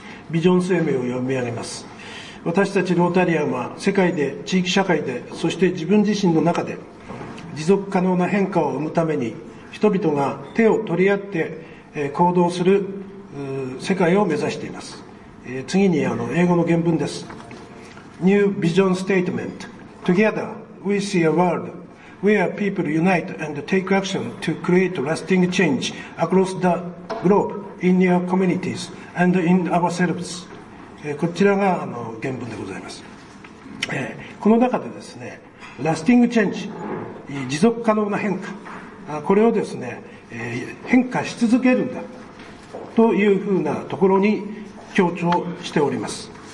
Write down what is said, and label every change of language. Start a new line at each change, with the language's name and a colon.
Japanese: ビジョン声明を読み上げます。私たちロータリアンは世界で地域社会でそして自分自身の中で持続可能な変化を生むために人々が手を取り合って行動する世界を目指しています。次に英語の原文です。
English: New Vision Statement Together we see a world where people unite and take action to create lasting change across the globe in their communities and in ourselves。
Japanese: こちらが原文でございます。この中でですねラスティングチェンジ持続可能な変化これをですね変化し続けるんだというふうなところに強調しております。